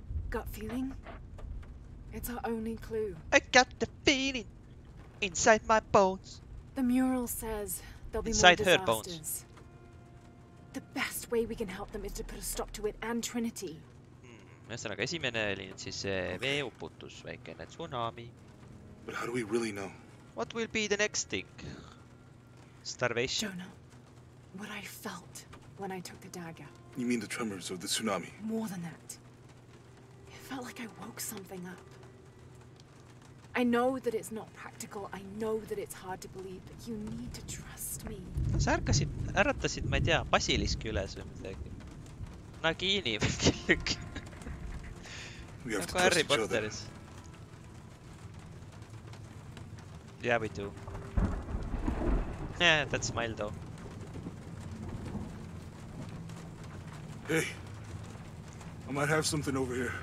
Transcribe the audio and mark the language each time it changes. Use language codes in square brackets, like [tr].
[en] Gut feeling? It's our only clue. I got the feeling inside my bones. The mural says there'll be inside more disasters. Her bones. The best way we can help them is to put a stop to it and Trinity. [et] Ühesõnaga, esimene oli nüüd siis veeuputus, väikene tsunami. [en] But how do we really know? What will be the next thing? Starvation. Jonah, what I felt when I took the dagger. You mean the tremors of the tsunami? More than that. It felt like I woke something up. I know that it's not practical, I know that it's hard to believe, but you need to trust me. [et] No, sa äratasid, ma ei tea, basiliski üles või midagi. Nagini või kellegi. [en] We have to trust each other. Yeah, we do. Yeah, that smile though. Hey, I might have something over here.